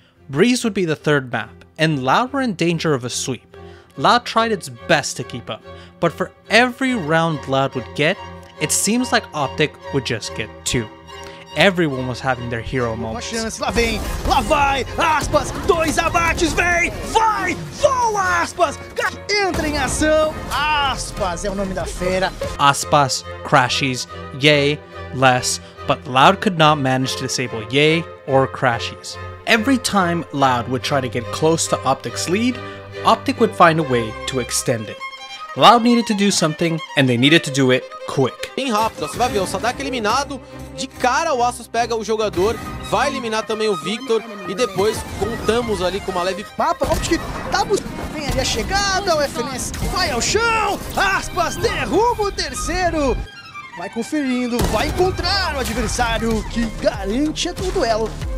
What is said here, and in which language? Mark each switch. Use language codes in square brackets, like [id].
[en] Breeze would be the third map, and Loud were in danger of a sweep. Loud tried its best to keep up, but for every round Loud would get, it seems like Optic would just get two. everyone was having their hero moments. [pt] Uma chance, lá vem, lá vai, aspas, dois abates, vem, vai, voa, aspas, entra em ação, aspas, é o nome da feira. [en] Aspas, Crashies, Yay, Less, but Loud could not manage to disable Yay or Crashies. Every time Loud would try to get close to Optic's lead, Optic would find a way to extend it. Loud needed to do something, and they needed to do it quick. [pt] Bem rápido, você vai ver, o Saadhak eliminado, de cara o Aspas pega o jogador, vai eliminar também o Victor, e depois contamos ali com uma leve... Papa, Optic, tá buscando, vem ali a chegada, o FNS vai ao chão, Aspas derruba o terceiro, vai conferindo, vai encontrar o adversário que garante o duelo.